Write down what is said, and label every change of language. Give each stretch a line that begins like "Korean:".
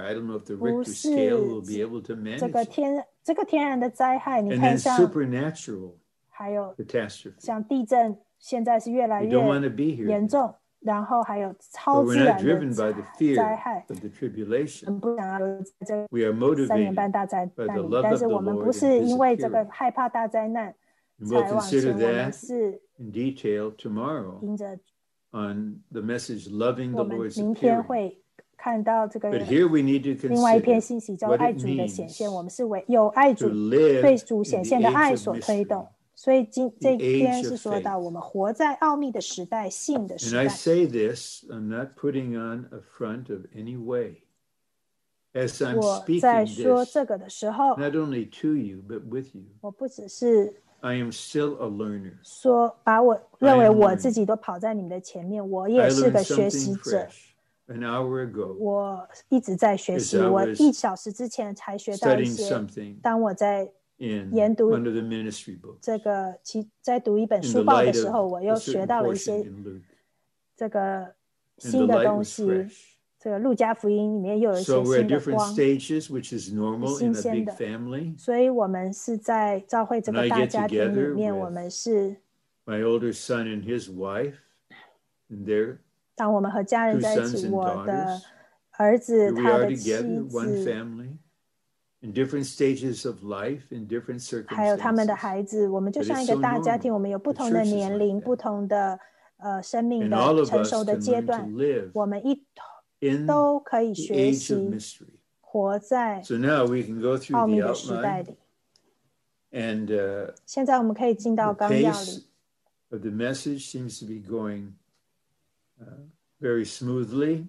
English: I don't know if the Richter scale will be able to manage
Chinese: 这个天, 这个天然的灾害,
English: and
Chinese: 你看像,
English: then supernatural
Chinese: 还有,
English: catastrophe.
Chinese: 像地震,
English: we don't want to be here.
Chinese: 严重,
English: but we're not driven by the fear of the tribulation. We are motivated by the love of the Lord and His appearance. And we'll consider that in detail tomorrow on the message Loving the Lord's Appearance. But here we need to consider what it means to live in the age of mystery.
Chinese: 所以今这篇是说到我们活在奥秘的时代, 信的时代。
English: And I say this, I'm not putting on a front of any way. As I'm speaking this, not only to you, but with you,
Chinese: 我不只是,
English: I am still a learner.
Chinese: 说把我认为我自己都跑在你们的前面, 我也是个学习者。
English: An hour ago,
Chinese: 我一直在学习, 我一小时之前才学到一些。当我在
English: In, under the ministry book, in the light of a certain portion in Luke,
Chinese: 这个新的东西,
English: and the light was fresh.
Chinese: 这个路加福音里面又有一些新的光,
English: so we're at different stages, which is normal in a big family.
Chinese: 所以我们是在召会这个大家庭里面,
English: when I get together with my older son and his wife, and their
Chinese: 当我们和家人在一起,
English: two sons and daughters,
Chinese: 儿子,
English: we are together, one family. In different stages of life, in different circumstances.
Chinese: 还有他们的孩子, 我们就像一个大家庭, 我们有不同的年龄, 不同的, 生命的,
English: and all of us can learn to live
Chinese: 我们一都可以学习,
English: in the age of mystery.
Chinese: 活在,
English: so now we can go through the outline. And
Chinese: 现在我们可以进到纲要里,
English: the pace of the message seems to be going very smoothly.